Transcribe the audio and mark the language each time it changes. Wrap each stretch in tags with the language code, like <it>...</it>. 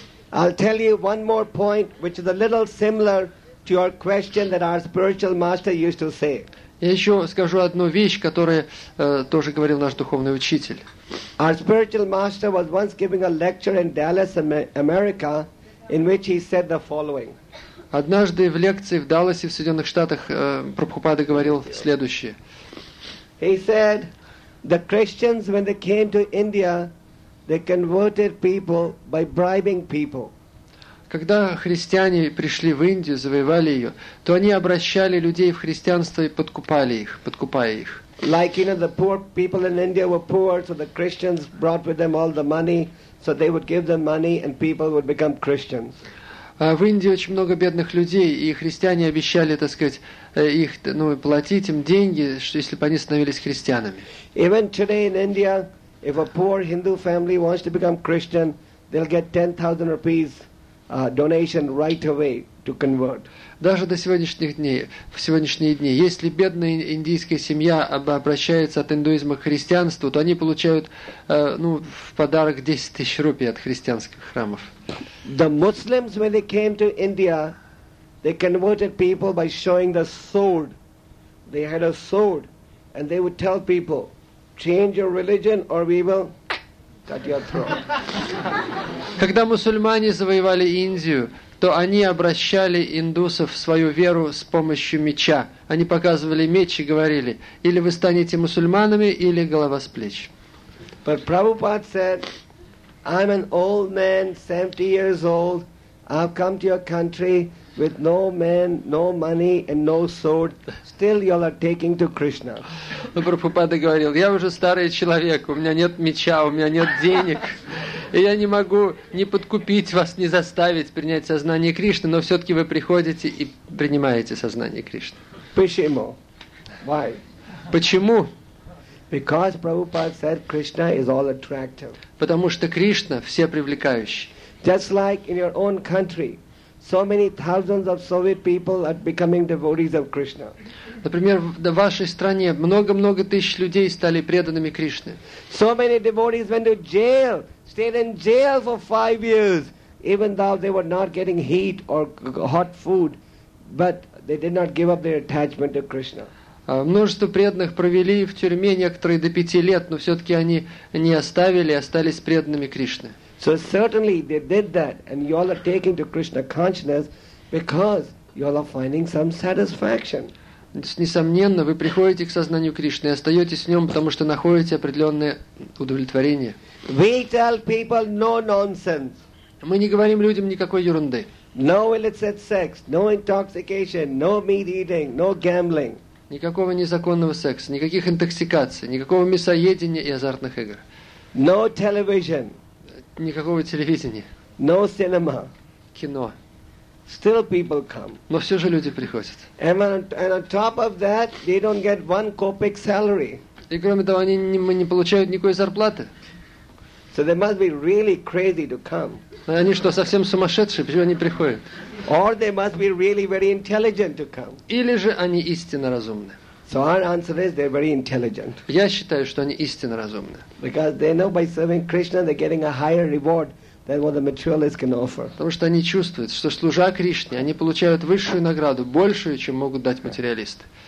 <en>I'll tell you one more point, which is a little similar to your question that our spiritual master used to say.</en> <ru>Я еще скажу одну вещь, которую тоже говорил наш духовный учитель.</ru> <en>Our spiritual master was once giving a lecture in Dallas, America, in which he said the following.</en> <ru>Однажды в лекции в Далласе в Соединенных Штатах Прабхупада говорил следующее.</ru> <en>He said, the Christians, when they came to India, they converted people by bribing people.</en> <ru>Когда христиане пришли в Индию, завоевали ее, то они обращали людей в христианство и подкупали их, подкупая их.</ru> <en>Like, you know, the poor people in India were poor, so the Christians brought with them all the money, so they would give them money and people would become Christians.</en> <ru>В Индии очень много бедных людей, и христиане обещали, так сказать, их, ну, платить им деньги, что если бы они становились христианами.</ru> <en>Even today in India, if a poor Hindu family wants to become Christian, they'll get 10,000 rupees donation right away to convert.</en> <ru>Даже до сегодняшних дней, в сегодняшние дни, если бедная индийская семья обращается от индуизма к христианству, то они получают ну, в подарок 10 тысяч рупий от христианских храмов.</ru> <en>The Muslims, when they came to India, they converted people by showing the sword. They had a sword, and they would tell people, change your religion or we will cut your throat.</en> <ru>Когда мусульмане завоевали Индию, то они обращали индусов в свою веру с помощью меча. Они показывали меч и говорили, или вы станете мусульманами, или голова с плеч.</ru> <en>But Prabhupada said, I'm an old man, 70 years old. I've come to your country with no man, no money, and no sword. Still, you are taking to Krishna.</en> <ru>Но Прабхупада говорил, я уже старый человек, у меня нет меча, у меня нет денег, и я не могу ни подкупить вас, ни заставить принять сознание Кришны, но все-таки вы приходите и принимаете сознание Кришны. Почему?</ru> <en>Why?</en> <ru>Почему?</ru> <en>Because Prabhupada said Krishna is all attractive.</en> <ru>Потому что Кришна все привлекающий.</ru> <en>Just like in your own country, so many thousands of Soviet people are becoming devotees of Krishna.</en> <ru>Например, в вашей стране много-много тысяч людей стали преданными Кришне.</ru> <en>So many devotees went to jail, stayed in jail for 5 years, even though they were not getting heat or hot food, but they did not give up their attachment to Krishna.</en> <ru>Множество преданных провели в тюрьме некоторые до 5 лет, но все-таки они не оставили, остались преданными Кришне.</ru> <en>So certainly they did that, and you all are taking to Krishna consciousness because you all are finding some satisfaction.</en> <ru>Несомненно, вы приходите к сознанию Кришны и остаетесь в нем, потому что находите определенное удовлетворение.</ru> <en>We tell people no nonsense.</en> <ru>Мы не говорим людям никакой ерунды.</ru> <en>No illicit sex, no intoxication, no meat eating, no gambling.</en> <ru>Никакого незаконного секса, никаких интоксикаций, никакого мясоедения и азартных игр.</ru> <en>No television.</en> <ru>Никакого телевидения.</ru> <en>No cinema.</en> <ru>Кино.</ru> <en>Still people come.</en> <ru>Но все же люди приходят.</ru> <en>And on top of that, they don't get one kopek salary.</en> <ru>И кроме того, они не получают никакой зарплаты.</ru> <en>So they must be really crazy to come.</en> <ru>Они что, совсем сумасшедшие? Почему они приходят?</ru> <en>Or they must be really very intelligent to come.</en> <ru>Или же они истинно разумны.</ru> <en>So our answer is they're very intelligent.</en> <ru>Я считаю, что они истинно разумны.</ru> <en>Because they know by serving Krishna they're getting a higher reward than what the materialists can offer.</en> <ru>Потому что они чувствуют, что служа Кришне, они получают высшую награду, большую, чем могут дать материалисты.</ru>